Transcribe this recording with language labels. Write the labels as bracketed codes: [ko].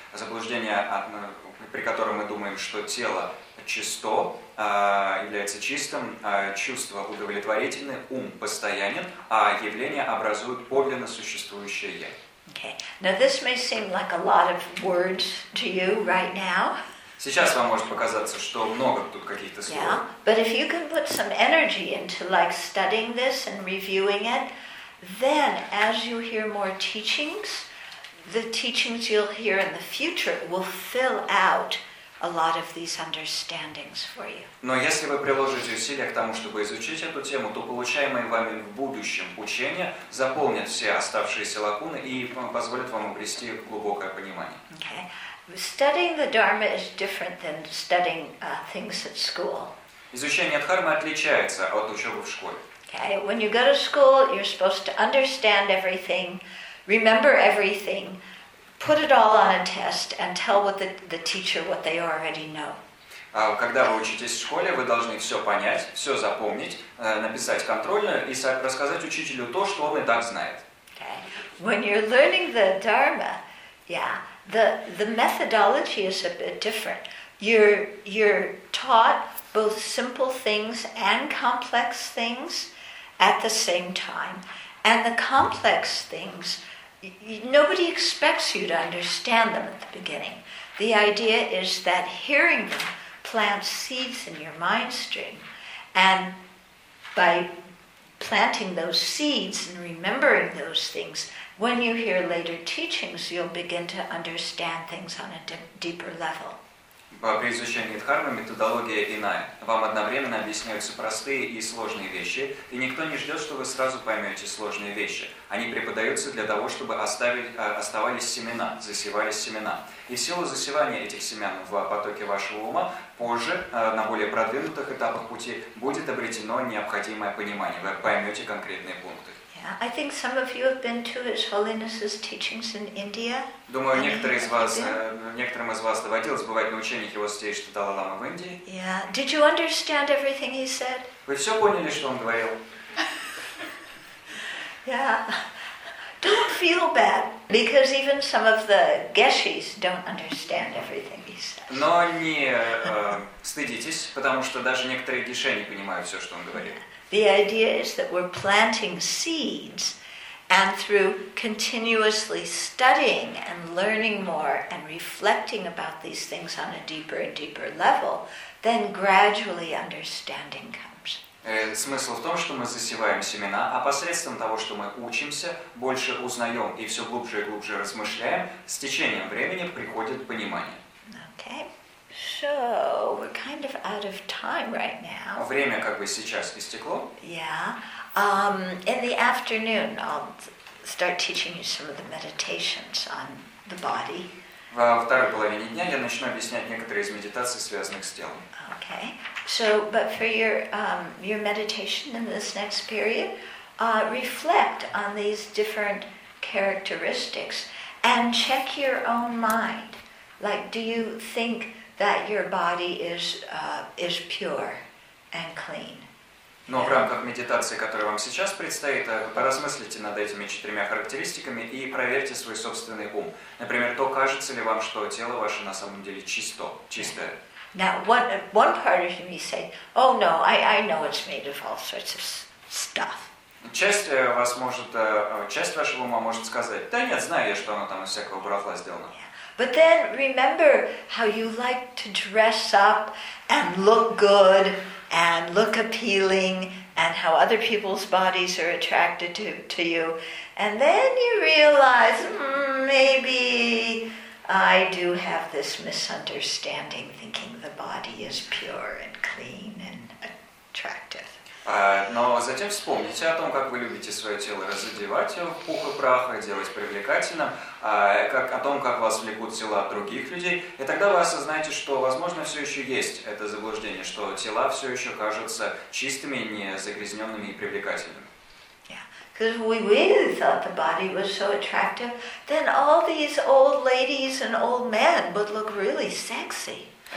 [ru] Заблуждение, при котором мы думаем, что тело чисто, является чистым, чувства удовлетворительны, ум постоянен, а явления образуют подлинно существующее «я». [en] Okay. Now this may seem like a lot of words to you right now. [ru] Сейчас вам может показаться, что много тут каких-то слов. [en] Yeah, but if you can put some energy into like studying this and reviewing it, then as you hear more teachings, the teachings you'll hear in the future will fill out a lot of these understandings for you. [ru] Но если вы приложите усилия к тому, чтобы изучить эту тему, то получаемые вами в будущем учения заполнят все оставшиеся лакуны и позволят вам обрести глубокое понимание. [en] Okay. Studying the Dharma is different than studying things at school. [ru] Изучение дхармы отличается от учебы в школе. [en] Okay, when you go to school, you're supposed to understand everything, remember everything, put it all on a test, and tell what the teacher what they already know. [ru] Когда вы учитесь в школе, вы должны все понять, все запомнить, написать контрольную и рассказать учителю то, что он и так знает. [en] Okay, when you're learning the Dharma, yeah. The methodology is a bit different. You're taught both simple things and complex things at the same time. And the complex things, nobody expects you to understand them at the beginning. The idea is that hearing them plants seeds in your mind stream. And by planting those seeds and remembering those things, when you hear later teachings, you'll begin to understand things on a deeper level. [ru] При изучении дхармы методология иная. Вам одновременно объясняются простые и сложные вещи, и никто не ждет, что вы сразу поймете сложные вещи. Они преподаются для того, чтобы оставались семена, засевались семена. И в силу засевания этих семян в потоке вашего ума, позже, на более продвинутых этапах пути, будет обретено необходимое понимание. Вы поймете конкретные пункты. [en] I think some of you have been to His Holiness's teachings in India. [ru] Думаю, некоторым из вас доводилось бывать на учениях Его Святейшества Далай-Ламы в Индии. [en] Yeah. Did you understand everything He said? [ru] Вы все поняли, что Он говорил? [en] Yeah. Don't feel bad, because even some of the Geshe's don't understand everything He said. [ru] Но не стыдитесь, потому что даже некоторые Геше не понимают все, что Он говорит. [en] The idea is that we're planting seeds, and through continuously studying and learning more and reflecting about these things on a deeper and deeper level, then gradually understanding comes. [ru] Смысл в том, что мы засеваем семена, а посредством того, что мы учимся, больше узнаем и все глубже и глубже размышляем, с течением времени приходит понимание. [en] Okay. So we're kind of out of time right now. [ru] Время как бы сейчас истекло. [en] Yeah. In the afternoon, I'll start teaching you some of the meditations on the body. [ru] Во второй половине дня я начну объяснять некоторые из медитаций, связанных с телом. [en] Okay. So, but for your meditation in this next period, reflect on these different characteristics and check your own mind. Like, do you think that your body is pure and clean. [ru] Но в рамках медитации, которая вам сейчас предстоит, поразмыслите над этими четырьмя характеристиками и проверьте свой собственный ум. Например, то, кажется ли вам, что тело ваше на самом деле чисто, чистое. [en] Now, one part of me said, oh no, I know it's made of all sorts of stuff. [ru] Часть вас может, часть вашего ума может сказать: да нет, знаю я, что оно там из всякого барахла сделано. [en] But then remember how you like to dress up and look good and look appealing and how other people's bodies are attracted to you. And then you realize, maybe I do have this misunderstanding, thinking the body is pure and clean and attractive. [ru] Но затем вспомните о том, как вы любите свое тело разодевать его в пух и прах, делать привлекательным, как, о том, как вас влекут тела других людей, и тогда вы осознаете, что, возможно, все еще есть это заблуждение, что тела все еще кажутся чистыми, незагрязненными и привлекательными. [en] Because we really thought the body was so attractive, then all these old ladies and old men would look really sexy.